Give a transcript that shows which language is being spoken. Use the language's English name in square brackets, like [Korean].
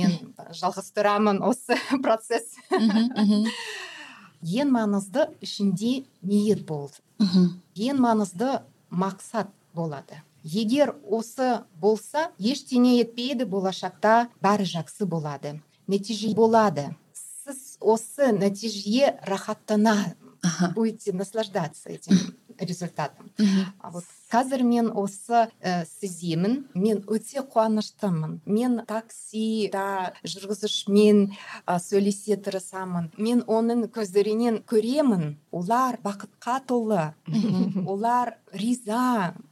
[Kazakh] Мен жалғастырамын осы процесс. Ең маңызды ішінде ниет болды. Ең маңызды мақсат болады. Егер осы болса, ештеңе етпейді, болашақта бәрі жақсы болады. Нәтиже болады. Сіз осы нәтижеге рахаттана [Russian] будете наслаждаться этим результатом. А вот [Kazakh] қазір мен осы сіземін, мен өте қуаныштымын. Мен таксида жүргізушімен сөйлесе тұрсамын. Мен оның көздерінен көремін. Олар бақытқа толы, олар риза.